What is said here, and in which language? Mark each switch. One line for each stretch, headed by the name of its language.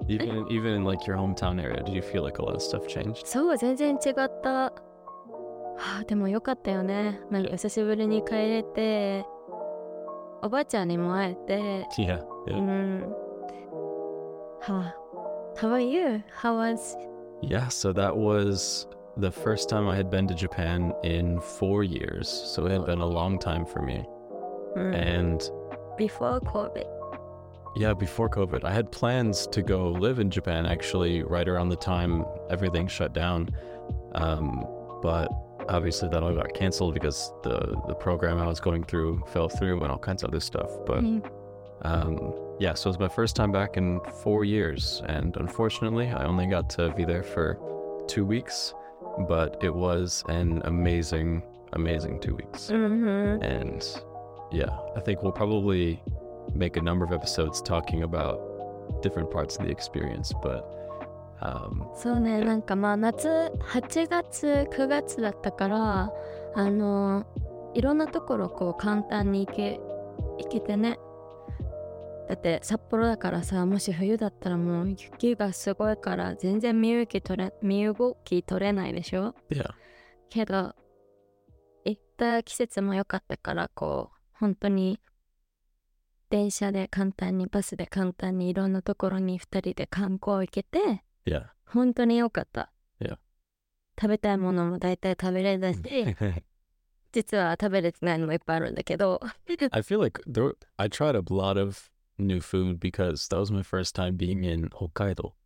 English: Even in like your hometown area, did you feel like a lot of stuff changed?
Japanese: そう、全然違った。はあ、でも良かったよね。なんか久しぶりに帰れて、おばあちゃんにも会えて。
English: Yeah. Yeah. うん。はあ、How are you? How was? Yeah, so that was... The first time I had been to Japan in 4 years, so it had been a long time for me. And before COVID. Yeah, before COVID. I had plans to go live in Japan, actually, right around the time everything shut down. But obviously that all got canceled because the program I was going through fell through and all kinds of other stuff. But yeah, so it was my first time back in 4 years. And unfortunately, I only got to be there for 2 weeks. But it was an amazing, amazing 2 weeks. Mm-hmm. And yeah, I think we'll probably make a number of episodes talking about different parts of the experience. But,
Japanese: そうね、なんかまあ夏、8月、9月だったから、いろんなところこう簡単に行けてね。だって札幌だからさ、もし冬だったらもう雪がすごいから全然身動き取れないでしょ。いや。けど行った季節も良かったから、こう本当に電車で簡単に、バスで簡単にいろんなところに二人で観光行けて、いや。本当に良かった。いや。食べたいものも大体食べれたし。実は食べれてないのもいっぱいあるんだけど。
English: I feel like I tried a lot of. New food because that was my first time being in Hokkaido.